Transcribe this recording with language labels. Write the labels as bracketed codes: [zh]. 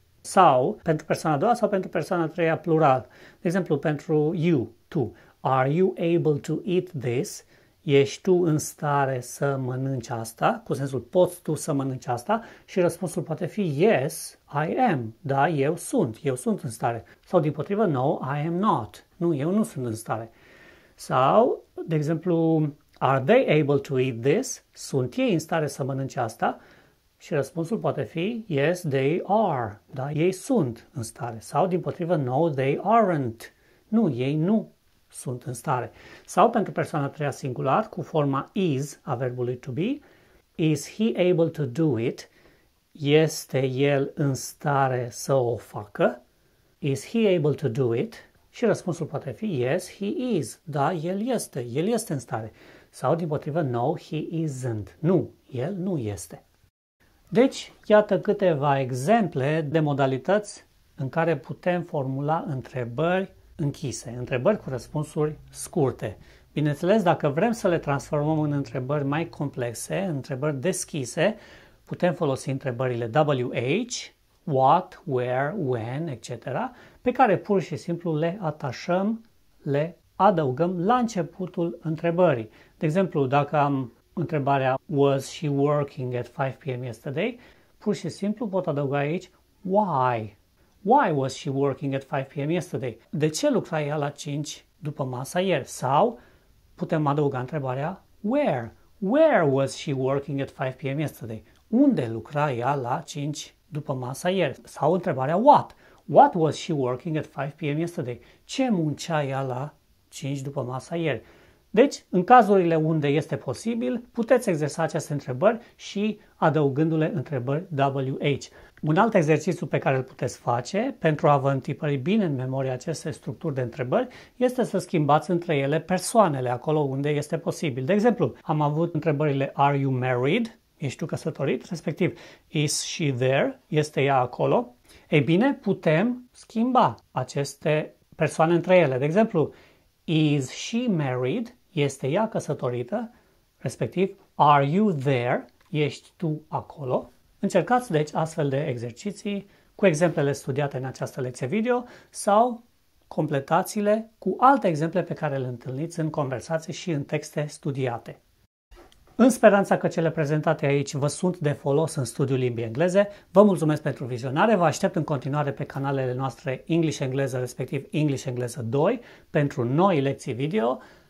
[ro] Sau, pentru persoana a doua sau pentru persoana a treia plural. De exemplu, pentru you, tu, [en] are you able to eat this? [ro] Ești tu în stare să mănânci asta? Cu sensul, poți tu să mănânci asta? Și răspunsul poate fi, [en] yes, I am. [ro] Da, eu sunt în stare. Sau, din potrivă, [en] no, I am not. [ro] Nu, eu nu sunt în stare. Sau, de exemplu, [en] are they able to eat this? [ro] Sunt ei în stare să mănânci asta? Și răspunsul poate fi, [en] yes, they are. [ro] Da, ei sunt în stare. Sau, din potrivă, [en] no, they aren't. [ro] Nu, ei nu sunt în stare. Sau pentru persoana a treia singular, cu forma is a verbului to be, [en] is he able to do it? [ro] Este el în stare să o facă? [en] Is he able to do it? [ro] Și răspunsul poate fi [en] yes, he is. [ro] Da, el este în stare. Sau din potrivă, [en] no, he isn't. [ro] Nu, el nu este. Deci, iată câteva exemple de modalități în care putem formula întrebări închise, întrebări cu răspunsuri scurte. Bineînțeles, dacă vrem să le transformăm în întrebări mai complexe, întrebări deschise, putem folosi întrebările WH, what, where, when, etc., pe care pur și simplu le atașăm, le adăugăm la începutul întrebării. De exemplu, dacă am întrebarea [en] was she working at 5 p.m. [ro] yesterday, pur și simplu pot adăuga aici why. [en] Why was she working at 5 p.m. yesterday? [ro] De ce lucra ea la 5 după masa ieri? Sau putem adăuga întrebarea where? [en] Where was she working at 5 p.m. yesterday? [ro] Unde lucra ea la 5 după masa ieri? Sau întrebarea what? [en] What was she working at 5 p.m. yesterday? [ro] Ce muncea ea la 5 după masa ieri? Deci, în cazurile unde este posibil, puteți exersa aceste întrebări și adăugându-le întrebări WH. Un alt exercițiu pe care îl puteți face pentru a vă întipări bine în memoria aceste structuri de întrebări este să schimbați între ele persoanele acolo unde este posibil. De exemplu, am avut întrebările [en] Are you married? [ro] ești tu căsătorit, respectiv, [en] is she there? [ro] Este ea acolo? Ei bine, putem schimba aceste persoane între ele. De exemplu, [en] is she married? [ro] Este ea căsătorită? Respectiv, [en] are you there? [ro] Ești tu acolo? Încercați, deci, astfel de exerciții cu exemplele studiate în această lecție video sau completați-le cu alte exemple pe care le întâlniți în conversații și în texte studiate. În speranța că cele prezentate aici vă sunt de folos în studiul limbii engleze, vă mulțumesc pentru vizionare, vă aștept în continuare pe canalele noastre English Engleză, respectiv English Engleză 2, pentru noi lecții video.